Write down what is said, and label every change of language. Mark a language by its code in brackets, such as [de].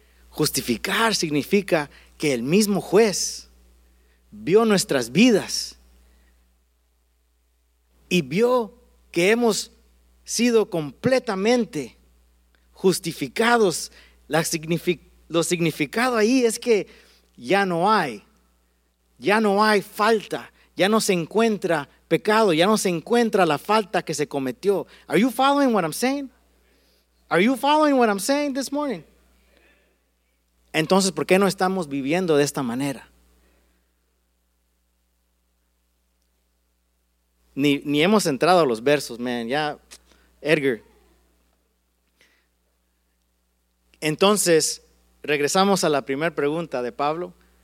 [es] Justificar significa que el mismo juez vio nuestras vidas y vio que hemos sido completamente justificados. Lo significado ahí es que ya no hay falta, ya no se encuentra pecado, ya no se encuentra la falta que se cometió. [en] Are you following what I'm saying? Are you following what I'm saying this morning? [es] Entonces, ¿por qué no estamos viviendo de esta manera? Ni hemos entrado a los versos, man. Ya, Edgar. Entonces, regresamos a la primera pregunta de Pablo.